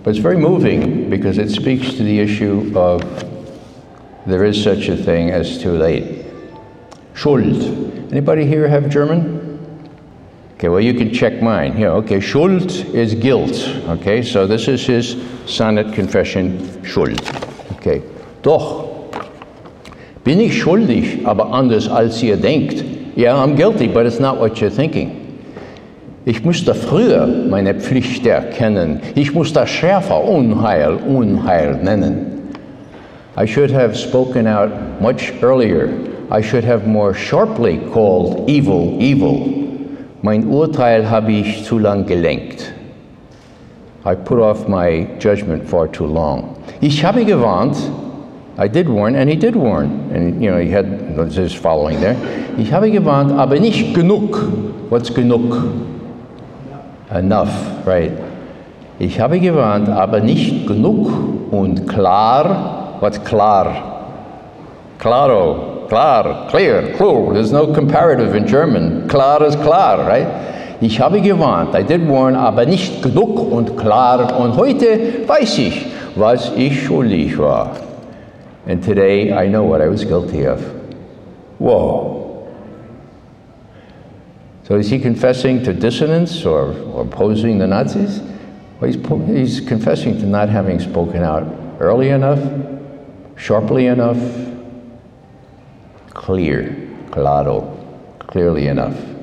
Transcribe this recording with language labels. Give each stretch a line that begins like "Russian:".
English: But it's very moving because it speaks to the issue of there is such a thing as too late. Schuld. Anybody here have German? Okay, well, you can check mine. Yeah, okay, Schuld is guilt. Okay, so this is his sonnet confession, Schuld. Okay, doch.
German: Bin ich schuldig, aber anders als ihr denkt.
English: Ja, I'm guilty, but it's not what you're thinking.
German: Ich musste früher meine Pflicht erkennen. Ich musste schärfer Unheil, Unheil nennen.
English: I should have spoken out much earlier. I should have more sharply called evil, evil.
German: Mein Urteil habe ich zu lang gelenkt.
English: I put off my judgment far too long.
German: Ich habe gewarnt.
English: I did warn, and he did warn, and you know, he had his following there.
German: Ich habe gewarnt, aber nicht genug.
English: What's
German: genug?
English: Enough, right.
German: Ich habe gewarnt, aber nicht genug und klar.
English: What's klar? Claro, klar, clear, cool. There's no comparative in German. Klar is klar, right?
German: Ich habe gewarnt,
English: I did warn,
German: aber nicht genug und klar. Und heute weiß ich, was ich schuldig war.
English: And today, I know what I was guilty of. Whoa. So is he confessing to dissonance or opposing the Nazis? Well, he's confessing to not having spoken out early enough, sharply enough, clear, claro, clearly enough.